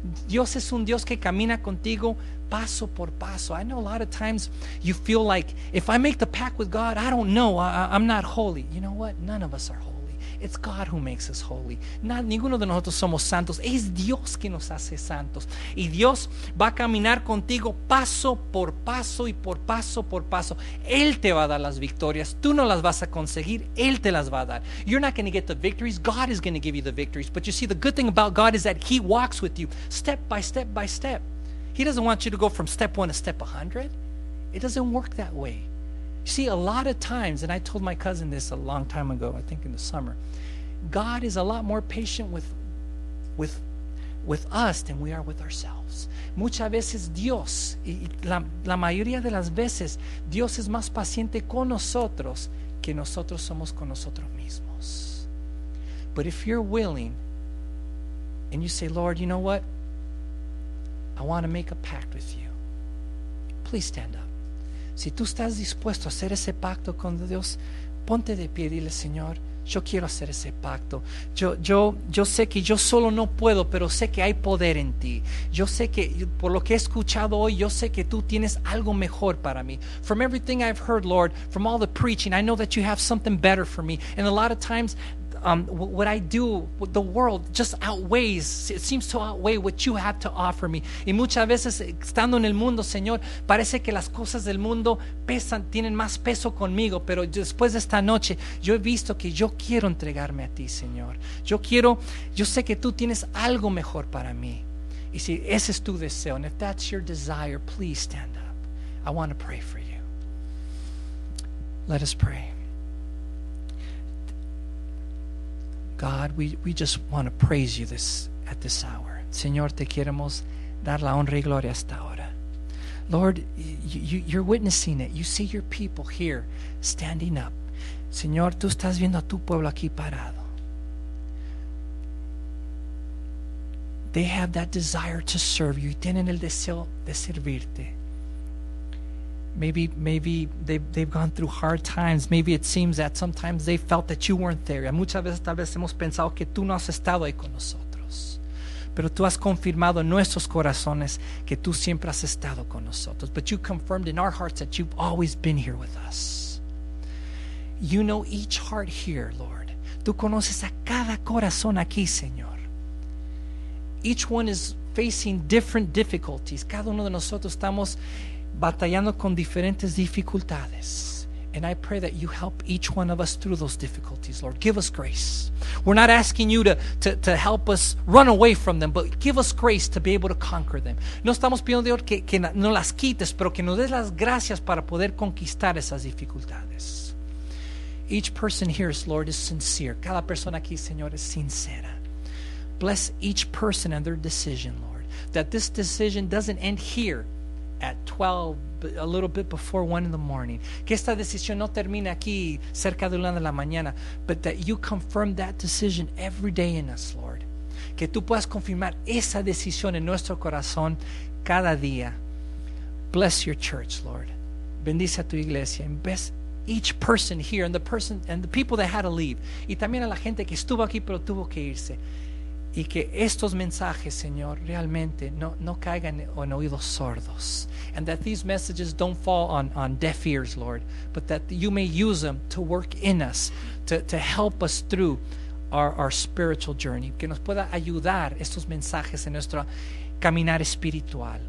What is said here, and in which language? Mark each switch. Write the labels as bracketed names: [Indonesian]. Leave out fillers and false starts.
[Spanish] Dios es un Dios que camina contigo paso por paso. [English] I know a lot of times you feel like, if I make the pact with God, I don't know, I'm not holy. You know what? None of us are holy. It's God who makes us holy. [Spanish] Ninguno de nosotros somos santos. Es Dios que nos hace santos. Y Dios va a caminar contigo paso por paso y por paso por paso. Él te va a dar las victorias. Tú no las vas a conseguir. Él te las va a dar. [English] You're not going to get the victories. God is going to give you the victories. But you see, the good thing about God is that He walks with you step by step by step. He doesn't want you to go from step one to step 100. It doesn't work that way. You see, a lot of times, and I told my cousin this a long time ago, I think in the summer, God is a lot more patient with us than we are with ourselves. [Spanish] Muchas veces Dios, la mayoría de las veces, Dios es más paciente con nosotros que nosotros somos con nosotros mismos. [English] But if you're willing, and you say, Lord, you know what? I want to make a pact with you. Please stand up. [Spanish] Si tú estás dispuesto a hacer ese pacto con Dios, ponte de pie y dile, Señor, yo quiero hacer ese pacto. Yo sé que yo solo no puedo, pero sé que hay poder en ti. Yo sé que, por lo que he escuchado hoy, yo sé que tú tienes algo mejor para mí. [English] From everything I've heard, Lord, from all the preaching, I know that you have something better for me. And a lot of times, what I do, what the world just outweighs, it seems to outweigh what you have to offer me. [Spanish] Y muchas veces, estando en el mundo, Señor, parece que las cosas del mundo pesan, tienen más peso conmigo. Pero después de esta noche, yo he visto que yo quiero entregarme a ti, Señor. Yo sé que tú tienes algo mejor para mí. Y si ese es tu deseo, [English] and if that's your desire, please stand up. I want to pray for you. Let us pray. God, we just want to praise you at this hour. [Spanish] Señor, te queremos dar la honra y gloria esta hora. [English] Lord, you're witnessing it. You see your people here standing up. [Spanish] Señor, tú estás viendo a tu pueblo aquí parado. [English] They have that desire to serve you. [Spanish] Tienen el deseo de servirte. [English] Maybe they've gone through hard times. Maybe it seems that sometimes they felt that you weren't there. [Spanish] Muchas veces tal vez hemos pensado que tú no has estado ahí con nosotros. Pero tú has confirmado en nuestros corazones que tú siempre has estado con nosotros. [English] But you confirmed in our hearts that you've always been here with us. You know each heart here, Lord. [Spanish] Tú conoces a cada corazón aquí, Señor. [English] Each one is facing different difficulties. [Spanish] Cada uno de nosotros estamos batallando con diferentes dificultades. [English] And I pray that you help each one of us through those difficulties, Lord. Give us grace. We're not asking you to help us run away from them, but give us grace to be able to conquer them. [Spanish] No estamos pidiendo, Dios, que no las quites, pero que nos des las gracias para poder conquistar esas dificultades. [English] Each person here, Lord, is sincere. [Spanish] Cada persona aquí, Señor, es sincera. [English] Bless each person and their decision, Lord. That this decision doesn't end here at 12, a little bit before 1 in the morning. [Spanish] Que esta decisión no termine aquí cerca de 1 de la mañana, [English] but that you confirm that decision every day in us, Lord. [Spanish] Que tú puedas confirmar esa decisión en nuestro corazón cada día. [English] Bless your church, Lord. [Spanish] Bendice a tu iglesia. [English] And bless each person here and the people that had to leave. [Spanish] Y también a la gente que estuvo aquí pero tuvo que irse. Y que estos mensajes, Señor, realmente no caigan en oídos sordos. [English] And that these messages don't fall on deaf ears, Lord, but that you may use them to work in us, to help us through our spiritual journey. [Spanish] Que nos pueda ayudar estos mensajes en nuestro caminar espiritual.